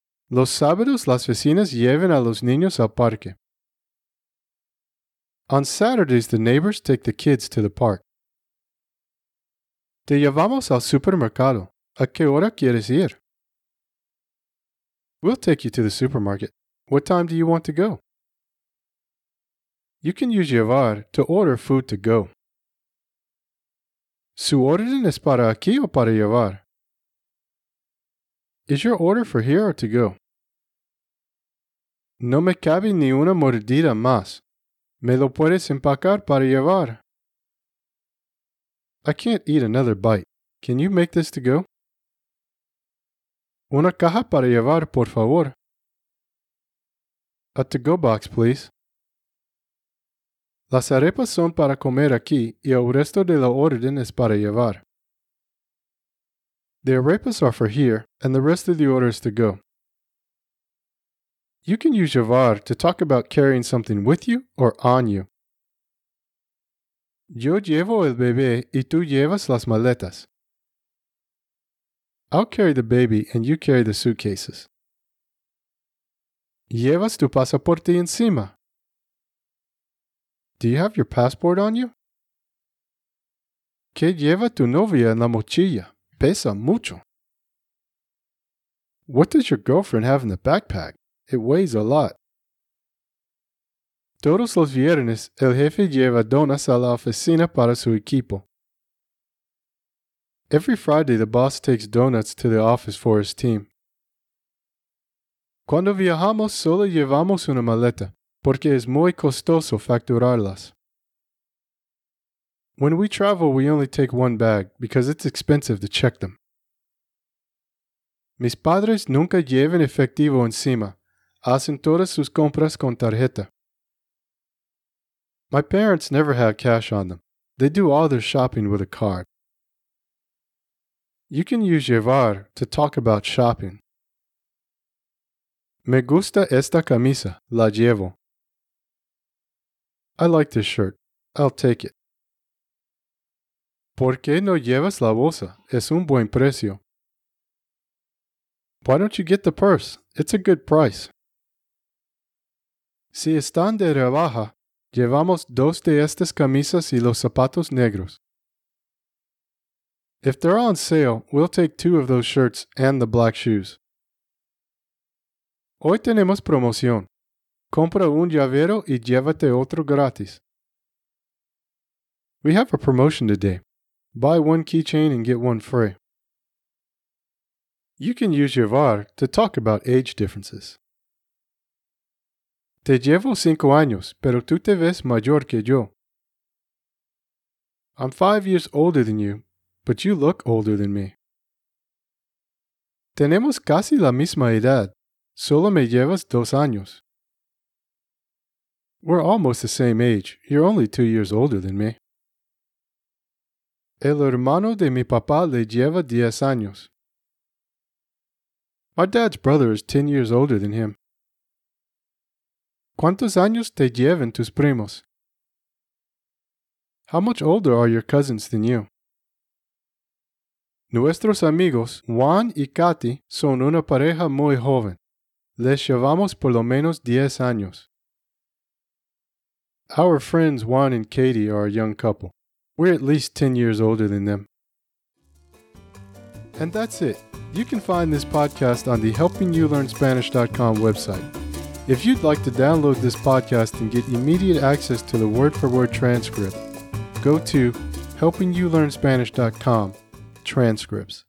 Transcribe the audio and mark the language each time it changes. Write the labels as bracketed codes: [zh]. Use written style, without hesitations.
[es] Los sábados las vecinas llevan a los niños al parque. [en] On Saturdays the neighbors take the kids to the park. [es] Te llevamos al supermercado. ¿A qué hora quieres ir? [en] We'll take you to the supermarket. What time do you want to go? You can use llevar to order food to go. [es] ¿Su orden es para aquí o para llevar? [en] Is your order for here or to go? [es] No me cabe ni una mordida más. ¿Me lo puedes empacar para llevar? [en] I can't eat another bite. Can you make this to go? [es] Una caja para llevar, por favor. [en] A to-go box, please. [es] Las arepas son para comer aquí y el resto de la orden es para llevar. [en] The arepas are for here and the rest of the order is to go. You can use llevar to talk about carrying something with you or on you. [es] Yo llevo el bebé y tú llevas las maletas. [en] I'll carry the baby and you carry the suitcases. [es] ¿Llevas tu pasaporte encima? [en] Do you have your passport on you? [es] ¿Qué lleva tu novia en la mochila? Pesa mucho. [en] What does your girlfriend have in the backpack? It weighs a lot. [es] Todos los viernes, el jefe lleva donas a la oficina para su equipo. [en] Every Friday, the boss takes donuts to the office for his team. [es] Cuando viajamos solo llevamos una maleta, porque es muy costoso facturarlas. [en] When we travel, we only take one bag, because it's expensive to check them. [es] Mis padres nunca llevan efectivo encima. Hacen todas sus compras con tarjeta. [en] My parents never have cash on them. They do all their shopping with a card. You can use llevar to talk about shopping. [es] Me gusta esta camisa. La llevo. [en] I like this shirt. I'll take it. [es] ¿Por qué no llevas la bolsa? Es un buen precio. [en] Why don't you get the purse? It's a good price. [es] Si están de rebaja, llevamos dos de estas camisas y los zapatos negros. [en] If they're on sale, we'll take two of those shirts and the black shoes. [es] Hoy tenemos promoción. Compra un llavero y llévate otro gratis. [en] We have a promotion today. Buy one keychain and get one free. You can use llevar to talk about age differences. [es] Te llevo 5 años, pero tú te ves mayor que yo. [en] I'm 5 years older than you, but you look older than me. [es] Tenemos casi la misma edad. Solo me llevas 2 años. [en] We're almost the same age. You're only 2 years older than me. [es] El hermano de mi papá le lleva 10 años. [en] My dad's brother is 10 years older than him. [es] ¿Cuántos años te llevan tus primos? [en] How much older are your cousins than you? [es] Nuestros amigos Juan y Katy son una pareja muy joven. Les llevamos por lo menos 10 años. [en] Our friends Juan and Katie are a young couple. We're at least 10 years older than them. And that's it. You can find this podcast on the HelpingYouLearnSpanish.com website. If you'd like to download this podcast and get immediate access to the word-for-word transcript, go to HelpingYouLearnSpanish.com, transcripts.